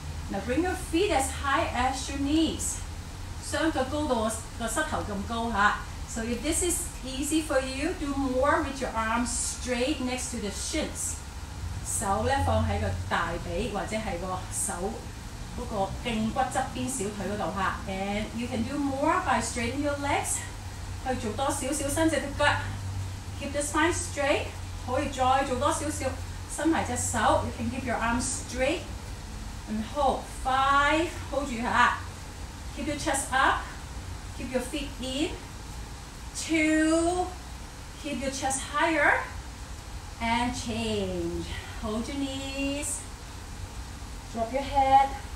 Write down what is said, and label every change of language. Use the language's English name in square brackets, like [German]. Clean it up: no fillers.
[English] Now bring your feet as high as your knees. [Cantonese] 雙腳高到個膝頭咁高嚇。 [English] So if this is easy for you, do more with your arms straight next to the shins. [Cantonese] 手咧放喺個大髀或者係個手。嗰個勁骨側邊小腿嗰度嚇， [English] and you can do more by straightening your legs， [Cantonese] 去做多少少伸直條腳， [English] keep the spine straight， [Cantonese] 可以再做多少少伸埋隻手， [English] you can keep your arms straight and hold five， [Cantonese] 住嚇， [English] keep your chest up， keep your feet in， two， keep your chest higher and change， hold your knees， drop your head。